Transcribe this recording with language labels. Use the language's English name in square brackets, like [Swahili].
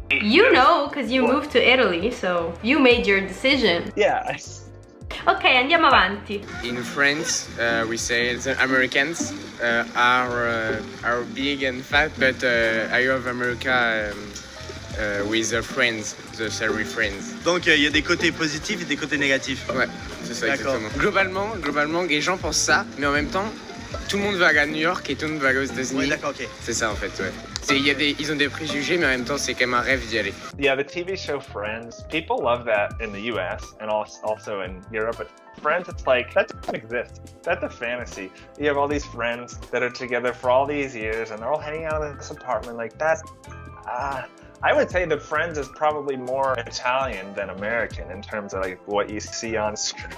[English] You know, because you moved to Italy, so you made your decision. Yeah. [Italian] Okay, andiamo avanti. [English] In France, we say the Americans are big and fat, but I love America with friends, the salary friends. [French] Donc il y a des côtés positifs et des côtés négatifs. Ouais, c'est ça. D'accord. Exactement. Globalement, les gens pensent ça, mais en même temps, tout le monde va à New York et tout le monde va aux États-Unis. Oui, d'accord, ok. C'est ça en fait, ouais. Ils ont des préjugés, mais en même temps, c'est quand même un rêve d'y aller. [English] Yeah, the TV show Friends, people love that in the US and also in Europe. Friends, it's like, that doesn't exist. That's a fantasy. You have all these friends that are together for all these years and they're all hanging out in this apartment. Like, that's... I would say that Friends is probably more Italian than American in terms of like what you see on screen.